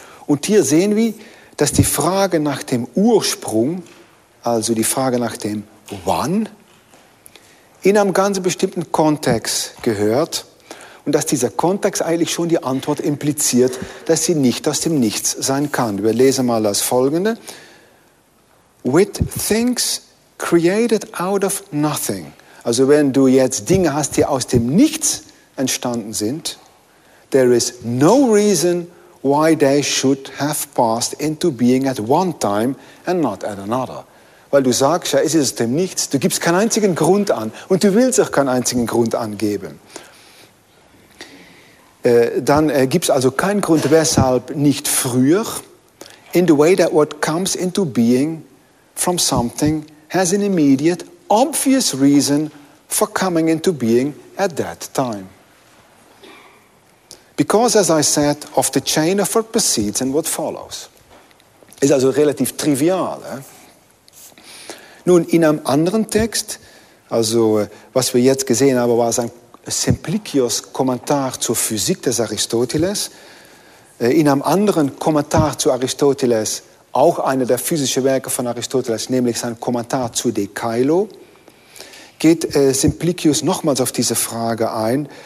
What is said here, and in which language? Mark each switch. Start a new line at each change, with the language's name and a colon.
German: Und hier sehen wir, dass die Frage nach dem Ursprung, also die Frage nach dem Wann, in einem ganz bestimmten Kontext gehört und dass dieser Kontext eigentlich schon die Antwort impliziert, dass sie nicht aus dem Nichts sein kann. Wir lesen mal das Folgende.
English: With things created out of nothing.
German: Also wenn du jetzt Dinge hast, die aus dem Nichts entstanden sind,
English: there is no reason why they should have passed into being at one time and not at another.
German: Weil du sagst, ja, es ist aus dem Nichts, du gibst keinen einzigen Grund an und du willst auch keinen einzigen Grund angeben. Dann gibt es also keinen Grund, weshalb nicht früher,
English: in the way that what comes into being from something has an immediate, obvious reason for coming into being at that time. Because, as I said, of the chain of what precedes and what follows.
German: Ist also relativ trivial. Nun, in einem anderen Text, also was wir jetzt gesehen haben, war sein Simplicios Kommentar zur Physik des Aristoteles. In einem anderen Kommentar zu Aristoteles, auch einer der physischen Werke von Aristoteles, nämlich sein Kommentar zu De Kailo, geht Simplicius nochmals auf diese Frage ein.